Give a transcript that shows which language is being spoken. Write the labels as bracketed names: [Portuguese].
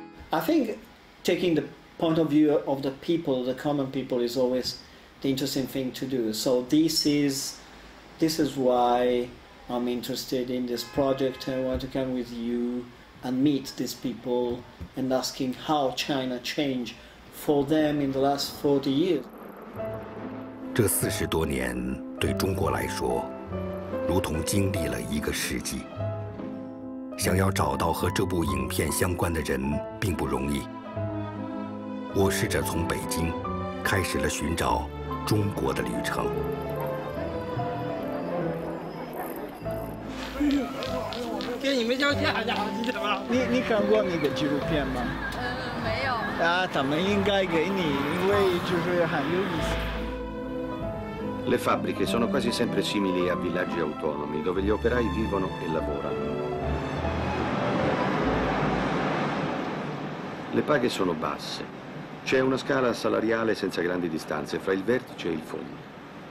[English] I think taking the point of view of the people, the common people, is always the interesting thing to do. So this is why I'm interested in this project. I want to come with you and meet these people and asking how China changed for them in the last 40 years. [Chinese] 这40多年对中国来说 如同经历了一个世纪，想要找到和这部影片相关的人并不容易。我试着从北京开始了寻找中国的旅程。给你们交接，你看过那个纪录片吗？没有。啊，咱们应该给你，因为就是很有意思。 [Italian] Le fabbriche sono quasi sempre simili a villaggi autonomi dove gli operai vivono e lavorano. Le paghe sono basse. C'è una scala salariale senza grandi distanze fra il vertice e il fondo.